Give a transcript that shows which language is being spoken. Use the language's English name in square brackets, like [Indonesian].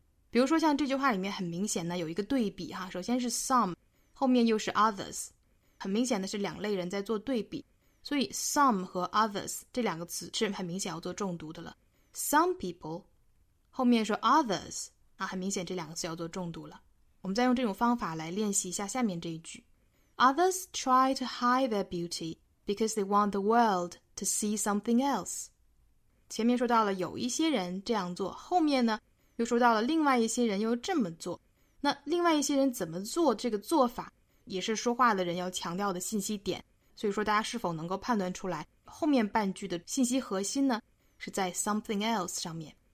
[Chinese] 比如说像这句话里面很明显呢有一个对比哈，首先是 some， 后面又是 others， 很明显的是两类人在做对比，所以 some 和 others 这两个词是很明显要做重读的了。 some people 后面说 others 啊，很明显这两个词要做重读了。我们再用这种方法来练习一下下面这一句。 [English] Others try to hide their beauty because they want the world to see something else。 [Chinese] 前面说到了有一些人这样做，后面呢又说到了另外一些人又这么做，那另外一些人怎么做这个做法也是说话的人要强调的信息点，所以说大家是否能够判断出来后面半句的信息核心呢是在 something else 上面。